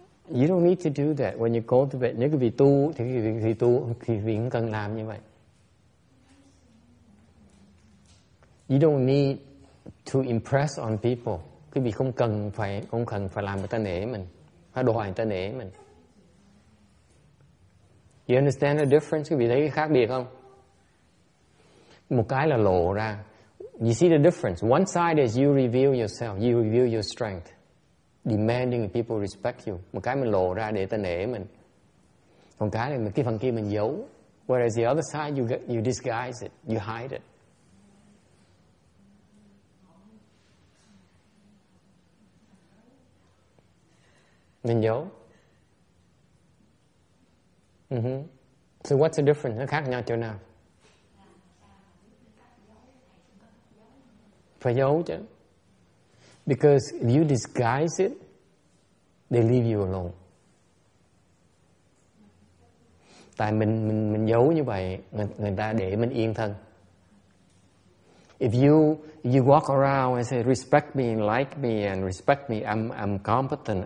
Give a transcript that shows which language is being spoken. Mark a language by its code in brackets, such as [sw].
[en] You don't need to do that when you go to bed. [vi] Nếu quý vị tu thì quý vị tu, quý vị không cần làm như vậy. [en] You don't need to impress on people. [vi] Quý vị không cần phải làm người ta nể mình, phải đòi người ta nể mình. [en] You understand the difference? [vi] Quý vị thấy cái khác biệt không? Một cái là lộ ra. [en] You see the difference. One side is you reveal yourself, you reveal your strength. Demanding people respect you. [vi] Một cái mình lộ ra để ta nể mình. Còn cái này, cái phần kia mình giấu. [en] Whereas the other side, you disguise it. You hide it. [vi] Mình giấu. [en] So what's the difference? [vi] Nó khác nhau chỗ nào? Phải giấu chứ. [en] Because if you disguise it, they leave you alone. [vi] Tại mình giấu như vậy, người ta để mình yên thân. [en] If you walk around and say respect me, like me, and respect me, I'm competent.